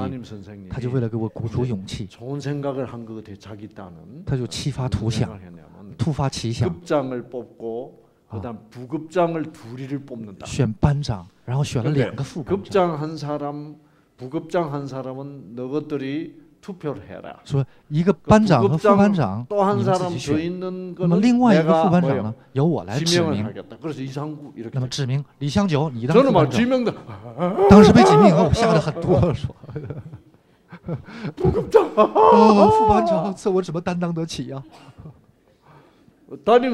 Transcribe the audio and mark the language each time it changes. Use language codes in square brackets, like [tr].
[ko] 담임 선생님이 좋은 생각을 한 것 같아 자기 딴은. [zh] 他就激发图想，突发奇想。 [ko] 급장을 뽑고 그다음 부급장을 둘이를 뽑는다. [zh] 选班长，然后选了两个副班长。 [ko] 급장 한 사람, 부급장 한 사람은 너것들이 투표를 해라. [zh] 说一个班长和副班长， [ko] 또 한 사람 더 있는 거는 내가 [zh] 另外一个副班长呢，由我来指名。 [ko] 그래서 이상구 이렇게. [zh] 那么指名李湘九，你当副班长。真的吗？指名的。当时被几名，我吓得很哆嗦。副班长，这我怎么担当得起呀？担任